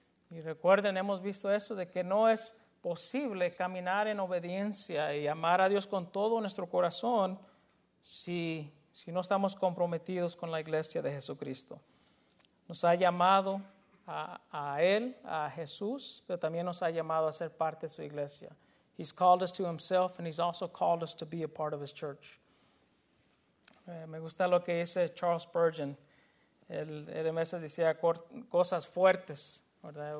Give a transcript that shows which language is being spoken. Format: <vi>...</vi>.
<es>Y recuerden, hemos visto eso, de que no es posible caminar en obediencia y amar a Dios con todo nuestro corazón si no estamos comprometidos con la iglesia de Jesucristo. Nos ha llamado a Él, a Jesús, pero también nos ha llamado a ser parte de su iglesia.</es> <en>He's called us to himself, and he's also called us to be a part of his church.</en> <es>Me gusta lo que dice Charles Spurgeon. Él a veces decía cosas fuertes, ¿verdad?</es>